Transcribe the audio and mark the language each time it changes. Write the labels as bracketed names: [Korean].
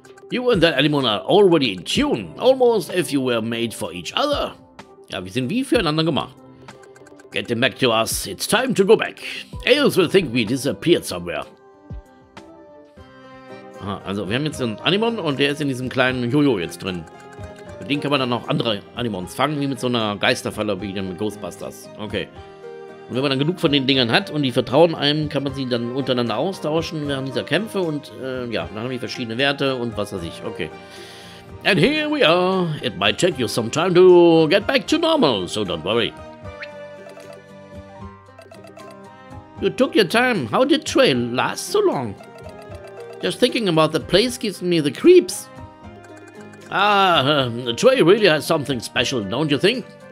[English] You and that animal are already in tune, almost if you were made for each other. [German] Ja, wir sind wie füreinander gemacht. [English] Get them back to us, it's time to go back. Ails will think we disappeared somewhere. [German] Aha, also wir haben jetzt einen Animon und der ist in diesem kleinen Jojo jetzt drin. Mit dem kann man dann auch andere Animons fangen, wie mit so einer Geisterfalle wie dem Ghostbusters. Okay. Und wenn man dann genug von den Dingern hat und die vertrauen einem, kann man sie dann untereinander austauschen während dieser Kämpfe und ja, dann haben die verschiedene Werte und was weiß ich. Okay. [English] And here we are. It might take you some time to get back to normal, so don't worry. You took your time. How did Trey last so long? Just thinking about the place gives me the creeps. Trey really has something special, don't you think?